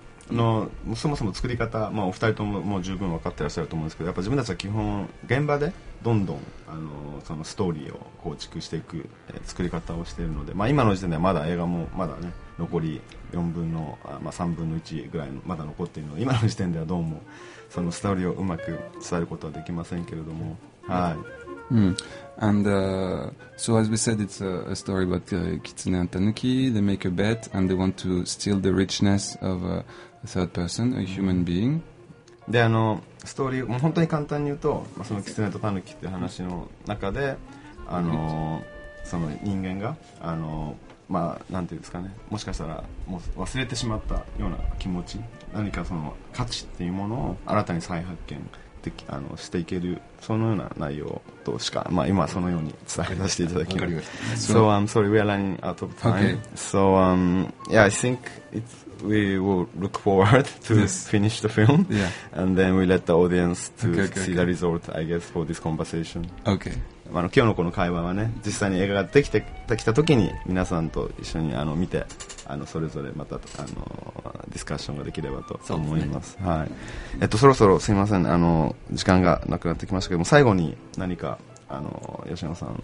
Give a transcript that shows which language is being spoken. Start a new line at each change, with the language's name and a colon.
Japanese: のそもそも作り方、まあ、お二人とももう十分分かってらっしゃると思うんですけど、やっぱ自分たちは基本現場でどんどんそのストーリーを構築していく作り方をしているので、まあ、今の時点ではまだ映画もまだね残り4分の、まあ、3分の1ぐらいのまだ残っているので、今の時点ではどうもそのストーリーをうまく伝えることはできませんけれども、はい。
English: And so as we said, it's a story about Kitsune and Tanuki. They make a bet and they want to steal the richness of a third person, a human being.
Japanese: で、ストーリー、もう本当に簡単に言うと、まあ、そのキツネとタヌキっていう話の中で、その人間が、まあ、なんていうんですかね、もしかしたらもう忘れてしまったような気持ち、何かその価値っていうものを新たに再発見していける、そのような内容としか、まあ、今そのように伝えさせていただきます。
English: So I'm sorry, we are running out of time. Okay. So yeah, I think it's, we will look forward to finish the film. Yeah. And then we let the audience to see the result, I guess, for this conversation. Okay.
Japanese: 今日のこの会話はね、実際に映画ができてきた時に皆さんと一緒に見て、それぞれまたディスカッションができればと思います。そうですね。はい。そろそろすいません、時間がなくなってきましたけども、最後に何か吉野さん、